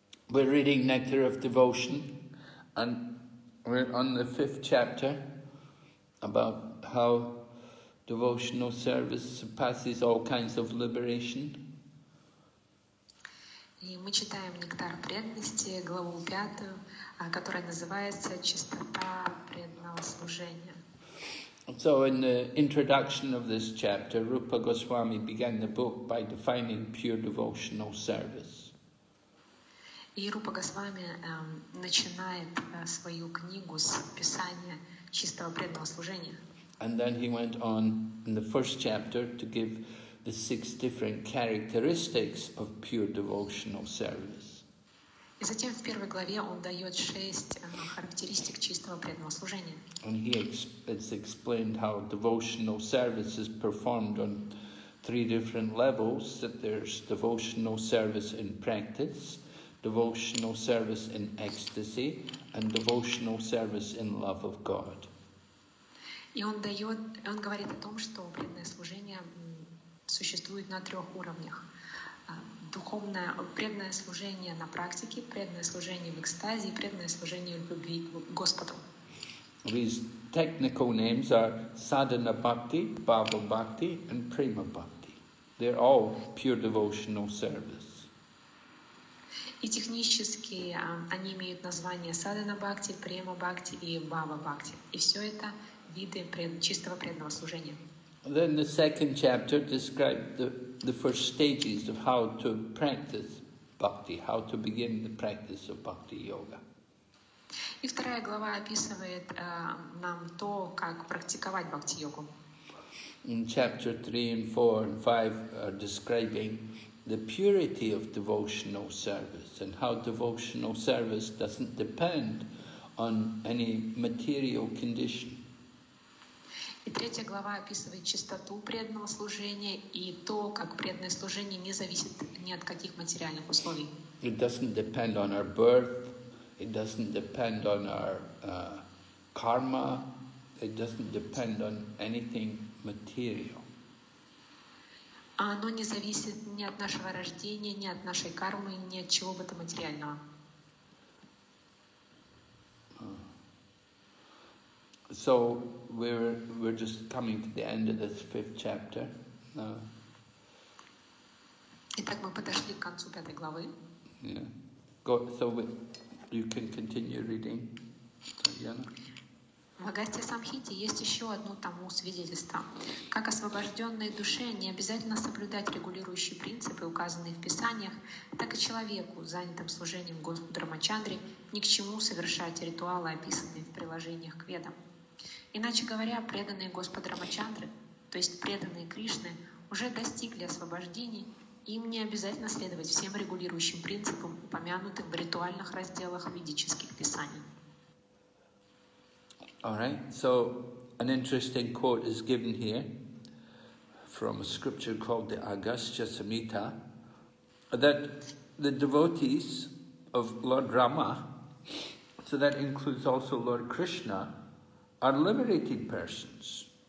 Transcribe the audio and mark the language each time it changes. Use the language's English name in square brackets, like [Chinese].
[English] We're reading Nectar of Devotion and we're on the fifth chapter about how devotional service surpasses all kinds of liberation. [Russian] И мы читаем Нектар преданности, главу пятую, которая называется «Чистота преданного служения». [English] So in the introduction of this chapter, Rupa Goswami began the book by defining pure devotional service. [Russian] И Рупа Госвами начинает свою книгу с описания чистого преданного служения. [English] And then he went on in the first chapter to give the six different characteristics of pure devotional service. [Russian] И затем в первой главе он дает шесть характеристик чистого преданного служения. [English] And he has explained how devotional service is performed on three different levels, that there's devotional service in practice, devotional service in ecstasy, and devotional service in love of God. [Russian] И он дает, он говорит о том, что преданное служение существует на трех уровнях. Духовное преданное служение на практике, преданное служение в экстазе и преданное служение в любви к Господу. [English] These technical names are sadhana bhakti, bhava bhakti, and prema bhakti. They're all pure devotional service. [Russian] И технически они имеют название садхана бхакти, према бхакти и бхава бхакти. И все это виды чистого преданного служения. [English] Then the second chapter describes the first stages of how to practice bhakti, how to begin the practice of bhakti yoga. [Russian] И вторая глава описывает нам то, как практиковать бхакти йогу. [English] In chapter 3 and 4 and 5 are describing the purity of devotional service and how devotional service doesn't depend on any material condition. [Russian] И третья глава описывает чистоту преданного служения и то, как преданное служение не зависит ни от каких материальных условий. [English] It doesn't depend on our birth, it doesn't depend on our karma, it doesn't depend on anything material. [Russian] Оно не зависит ни от нашего рождения, ни от нашей кармы, ни от чего бы то материального. [English] So we're just coming to the end of this fifth chapter. [Russian] Итак, мы подошли к концу пятой главы. [English] Yeah. Go, so you can continue reading. Татьяна. [Russian] В Агасте Самхите есть еще одно тому свидетельство. Как освобожденной душе не обязательно соблюдать регулирующие принципы, указанные в Писаниях, так и человеку, занятым служением Господу Рамачандре, ни к чему совершать ритуалы, описанные в приложениях к ведам. Иначе говоря, преданные Господу Рамачандре, то есть преданные Кришны, уже достигли освобождения, им не обязательно следовать всем регулирующим принципам, упомянутым в ритуальных разделах ведических писаний. [English] All right, so an interesting quote is given here from a scripture called the Agastya Samhita, that the devotees of Lord Rama, so that includes also Lord Krishna, are liberated persons.